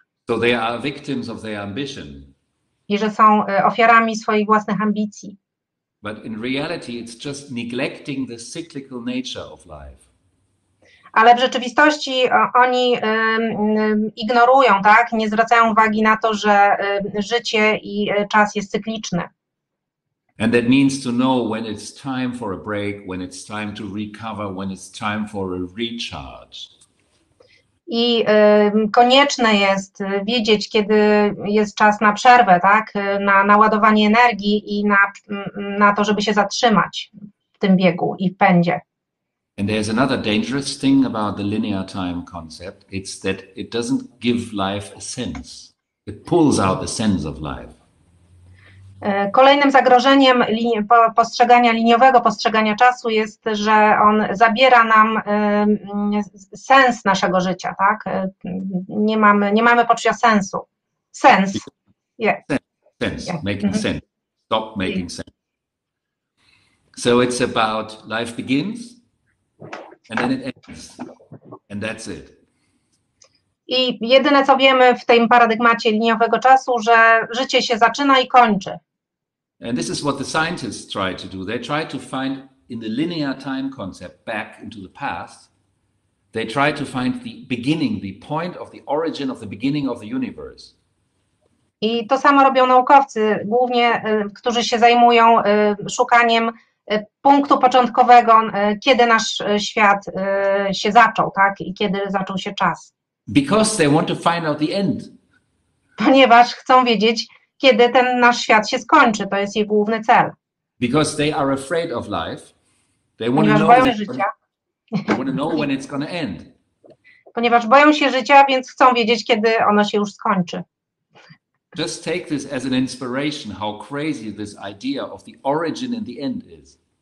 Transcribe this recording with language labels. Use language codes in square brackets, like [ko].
[en] So they are victims of their ambition. [pl] I że są ofiarami swoich własnych ambicji. [en] But in reality, it's just neglecting the cyclical nature of life. [pl] Ale w rzeczywistości oni ignorują, tak? Nie zwracają uwagi na to, że życie i czas jest cykliczny. [en] And that means to know when it's time for a break, when it's time to recover, when it's time for a recharge. [pl] I konieczne jest wiedzieć, kiedy jest czas na przerwę, tak? Na naładowanie energii i na to, żeby się zatrzymać w tym biegu i w pędzie. [en] And there's another dangerous thing about the linear time concept. It's that it doesn't give life a sense. It pulls out the sense of life. [pl] Kolejnym zagrożeniem postrzegania liniowego, postrzegania czasu jest, że on zabiera nam sens naszego życia, tak? Nie mamy poczucia sensu. Sens. [en] Sense, making sense. stop making sense. So it's about life begins and then it ends. And that's it. [pl] I jedyne, co wiemy w tym paradygmacie liniowego czasu, że życie się zaczyna i kończy. [en] And this is what the scientists try to do. They try to find in the linear time concept back into the past. They try to find the beginning, the point of the origin of the beginning of the universe. [pl] I to samo robią naukowcy, głównie którzy się zajmują szukaniem punktu początkowego, kiedy nasz świat się zaczął, tak? I kiedy zaczął się czas. [en] Because they want to find out the end. [pl] Ponieważ chcą wiedzieć, kiedy ten nasz świat się skończy, to jest ich główny cel. [en] Because they are afraid of life. They want to know [pl] życia. [en] They want to know when it's going to end. [pl] Ponieważ boją się życia, więc chcą wiedzieć, kiedy ono się już skończy. [en] Just take this as an inspiration, how crazy this idea of the origin and the end is.